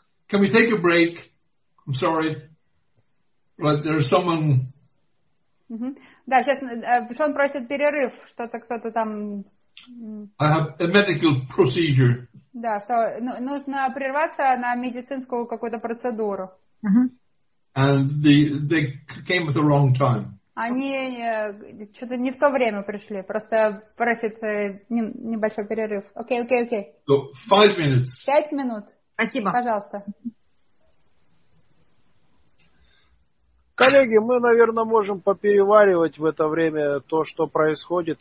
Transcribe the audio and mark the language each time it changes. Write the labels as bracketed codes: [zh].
[en] Can we take a break? I'm sorry, but there's someone. [ru] Да, сейчас Шон просит перерыв, что-то кто-то там. [en] I have a medical procedure. [ru] Да, что нужно прерваться на медицинскую какую-то процедуру. [en] And they came at the wrong time. [ru] Они что-то не в то время пришли, просто просит небольшой перерыв. [en] Okay. So 5 minutes. [ru] 5 минут. Спасибо. Пожалуйста. Коллеги, мы, наверное, можем попереваривать в это время то, что происходит.